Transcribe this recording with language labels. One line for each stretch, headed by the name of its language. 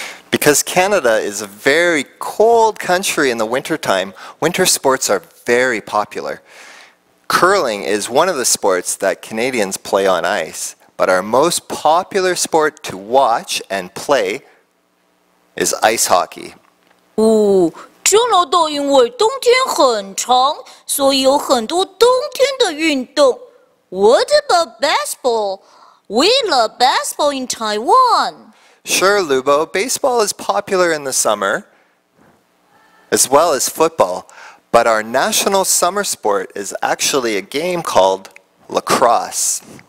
English: Because Canada is a very cold country in the wintertime, winter sports are very popular. Curling is one of the sports that Canadians play on ice, but our most popular sport to watch and play is ice hockey.
Chinese: Ooh, 加拿大因为冬天很长，所以有很多冬天的运动。
English: What about baseball? We love baseball in Taiwan. Sure, Lubo. Baseball is popular in the summer, as well as football. But our national summer sport is actually a game called lacrosse.